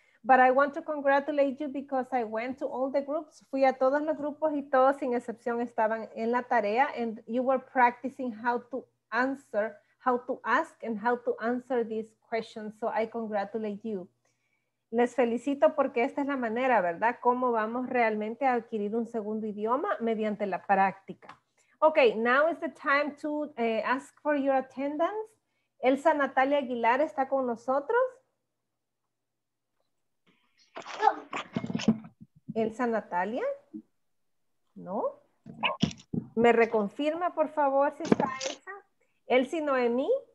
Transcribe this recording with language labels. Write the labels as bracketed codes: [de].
[en] But I want to congratulate you because I went to all the groups. [es] Fui a todos los grupos y todos sin excepción estaban en la tarea [en] and you were practicing how to answer, how to ask and how to answer these questions. So I congratulate you. [es] Les felicito porque esta es la manera, ¿verdad? Cómo vamos realmente a adquirir un segundo idioma mediante la práctica. [en] Okay, now is the time to ask for your attendance. [es] Elsa Natalia Aguilar está con nosotros. Elsa Natalia, ¿no? ¿Me reconfirma, por favor, si está Elsa? Elsie Noemí.